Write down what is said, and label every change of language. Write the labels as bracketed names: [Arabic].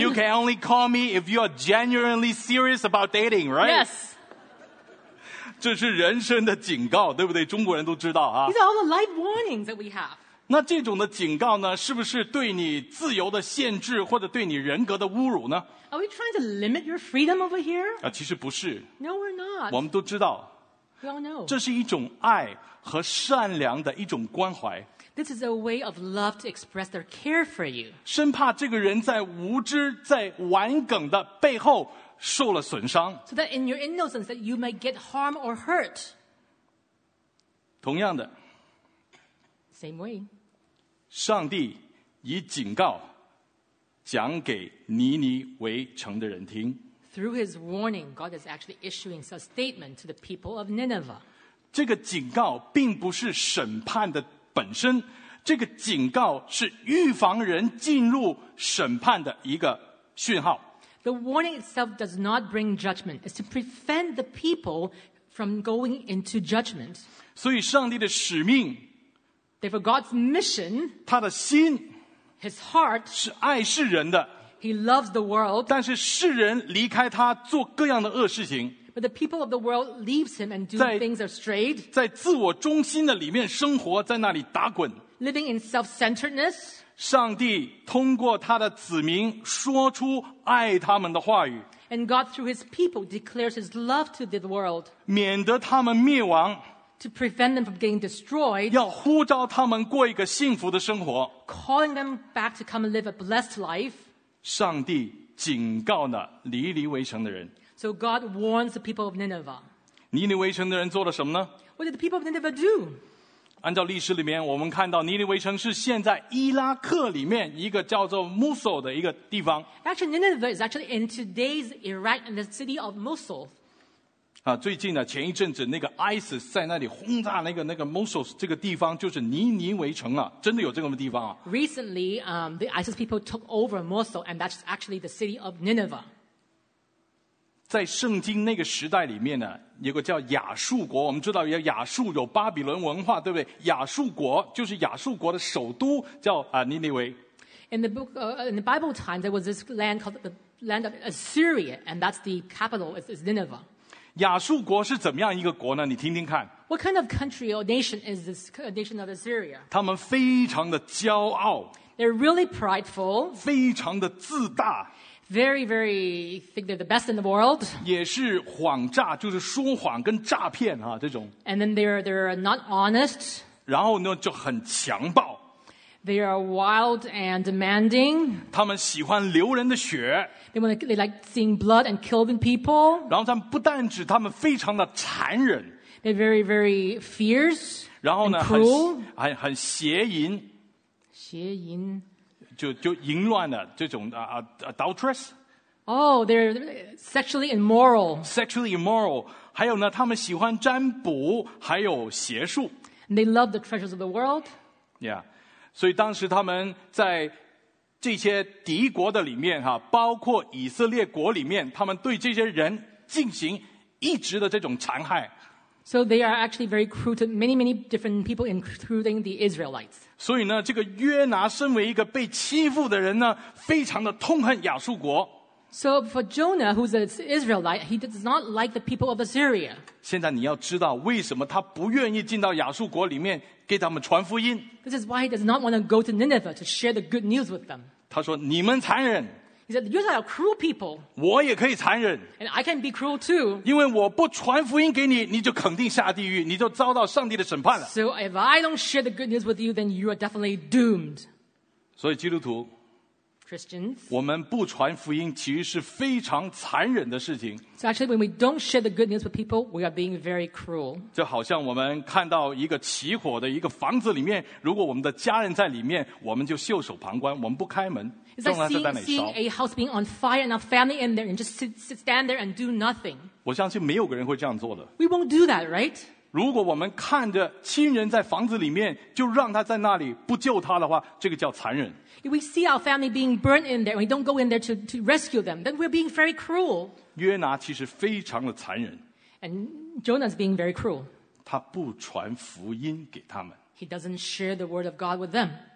[English] You can only call me if you are genuinely serious about dating, right? Yes. [Chinese] 这是人生的警告，对不对？中国人都知道啊。 [English] These are all the life warnings that we have. [Chinese] 那这种的警告呢，是不是对你自由的限制，或者对你人格的侮辱呢？ [English] Are we trying to limit your freedom over here? [Chinese] 啊，其实不是。 [English] No, we're not. [Chinese] 我们都知道。 [English] We all know. [Chinese] 这是一种爱和善良的一种关怀。 [English] This is a way of love to express their care for you. [Chinese] 生怕这个人在无知、在玩梗的背后受了损伤。 [English] So that in your innocence that you may get harm or hurt. [Chinese] 同样的。 [English] Same way. [Chinese] 上帝以警告讲给尼尼微城的人听。 [English] Through his warning, God is actually issuing a statement to the people of Nineveh. [Chinese] 这个警告并不是审判的本身这个警告是预防人进入审判的一个讯号。 [English] The warning itself does not bring judgment. It's to prevent the people from going into judgment. [Chinese] 所以上帝的使命 [English] Therefore God's mission [Chinese] 他的心 [English] His heart [Chinese] 是爱世人的 [English] He loves the world [Chinese] 但是世人离开他做各样的恶事情 [English] But the people of the world leaves him and do things astray [Chinese] 在自我中心的里面生活在那里打滚 [English] Living in self-centeredness. [Chinese] 上帝通过他的子民说出爱他们的话语 [English] And God through his people declares his love to the world. [Chinese] 免得他们灭亡 [English] To prevent them from getting destroyed. [Chinese] 要呼召他们过一个幸福的生活 [English] Calling them back to come and live a blessed life. [Chinese] 上帝警告了尼尼微城的人 [English] So God warns the people of Nineveh. [Chinese] 尼尼微城的人做了什么呢 [English] What did the people of Nineveh do? [Chinese] 按照历史里面我们看到尼尼微城是现在伊拉克里面一个叫做 Mosul 的一个地方 [English] Actually Nineveh is actually in today's Iraq in the city of Mosul、 [Chinese] 啊、最近呢前一阵子那个 ISIS 在那里轰炸那个 Mosul 这个地方就是尼尼微城啊，真的有这个地方啊。 [English] Recently、the ISIS people took over Mosul and that's actually the city of Nineveh [Chinese] 在圣经那个时代里面呢有个叫亚述国我们知道有亚述有巴比伦文化对不对亚述国就是亚述国的首都叫尼尼微 [English] in the Bible times there was this land called the land of Assyria and that's the capital is Nineveh [Chinese] 亚述国是怎么样一个国呢你听听看 [English] What kind of country or nation is this nation of Assyria [Chinese] 他们非常的骄傲 [English] They're really prideful [Chinese] 非常的自大 [English] Very, very think they're the best in the world. [Chinese] 也是谎诈，就是说谎跟诈骗啊，这种。 [English] And then they're not honest. [Chinese] 然后呢，就很强暴。 [English] They are wild and demanding. [Chinese] 他们喜欢流人的血。 [English] They like seeing blood and killing people. [Chinese] 然后他们不但指他们非常的残忍。 [English] They're very, very fierce. [Chinese] 然后呢，很邪淫。邪淫。就淫乱的这种啊 [English] adulterous oh they're sexually immoral sexually immoral [Chinese] 还有呢他们喜欢占卜还有邪术 [English] they love the treasures of the world [Chinese] yeah 所以当时他们在这些敌国的里面，包括以色列国里面，他们对这些人进行一直的这种残害。 [English] So they are actually very cruel to many, many different people, including the Israelites. [Chinese] 所以呢，这个约拿身为一个被欺负的人呢，非常的痛恨亚述国。 [English] So for Jonah, who's an Israelite, he does not like the people of Assyria. [Chinese] 现在你要知道为什么他不愿意进到亚述国里面给他们传福音。 [English] This is why he does not want to go to Nineveh to share the good news with them. [Chinese] 他说你们残忍。 [English] He said, you are cruel people. [Chinese] 我也可以残忍。 [English] And I can be cruel too. [Chinese] 因为我不传福音给你，你就肯定下地狱，你就遭到上帝的审判了。 [English] So if I don't share the good news with you, then you are definitely doomed. [Chinese] 所以基督徒 [English] Christians, [Chinese] 我们不传福音其实是非常残忍的事情。 [English] So actually, when we don't share the good news with people, we are being very cruel. [Chinese] 就好像我们看到一个起火的一个房子里面，如果我们的家人在里面，我们就袖手旁观，我们不开门。 [English] It's like seeing a house being on fire and a family in there and just sit stand there and do nothing. [Chinese] 我相信没有个人会这样做的。 [English] We won't do that, right? [Chinese] 如果我们看着亲人在房子里面，就让他在那里不救他的话，这个叫残忍。 [English] If we see our family being burned in there and we don't go in there to rescue them, then we're being very cruel. [Chinese] 约拿其实非常的残忍。 [English] And Jonah's being very cruel. [Chinese] 他不传福音给他们。 [English] He doesn't share the word of God with them.